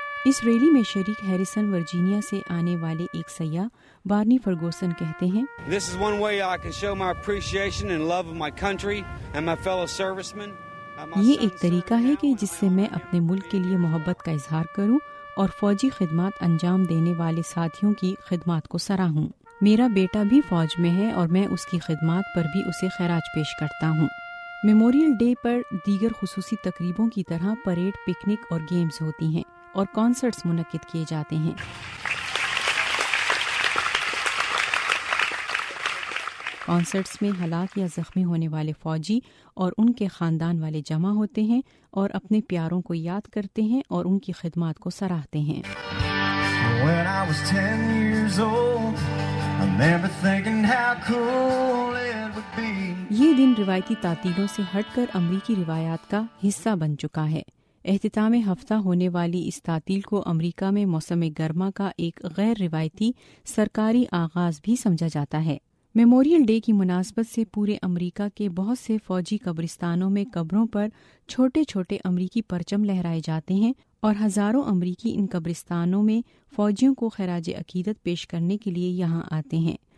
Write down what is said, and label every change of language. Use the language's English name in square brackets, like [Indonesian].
[Urdu] اس rally میں شریک Harrison Virginia سے آنے والے ایک سیاح بارنی فرگوسن کہتے ہیں، [English] This is one way I can show my appreciation and love of my country and my fellow servicemen. [Urdu] یہ ایک طریقہ ہے کہ جس سے میں اپنے ملک کے لیے محبت کا اظہار کروں اور فوجی خدمات انجام دینے والے ساتھیوں کی خدمات کو سراہوں. میرا بیٹا بھی فوج میں ہے اور میں اس کی خدمات پر بھی اسے خراج پیش کرتا ہوں. میموریل ڈے پر دیگر خصوصی تقریبوں کی طرح پریڈ، پکنک اور گیمز ہوتی ہیں اور کانسرٹس منعقد کیے جاتے ہیں. کانسرٹس میں ہلاک یا زخمی ہونے والے فوجی اور ان کے خاندان والے جمع ہوتے ہیں اور اپنے پیاروں کو یاد کرتے ہیں اور ان کی خدمات کو سراہتے ہیں. [English] When I was 10 years old, I remember thinking how cool it would be. [Urdu] یہ دن روایتی تعطیلوں سے ہٹ کر امریکی روایات کا حصہ بن چکا ہے. اختتام ہفتہ ہونے والی اس تعطیل کو امریکہ میں موسم گرما کا ایک غیر روایتی سرکاری آغاز بھی سمجھا جاتا ہے. میموریل ڈے کی مناسبت سے پورے امریکہ کے بہت سے فوجی قبرستانوں میں قبروں پر چھوٹے چھوٹے امریکی پرچم لہرائے جاتے ہیں اور ہزاروں امریکی ان قبرستانوں میں فوجیوں کو خراج عقیدت پیش کرنے کے لیے یہاں آتے ہیں.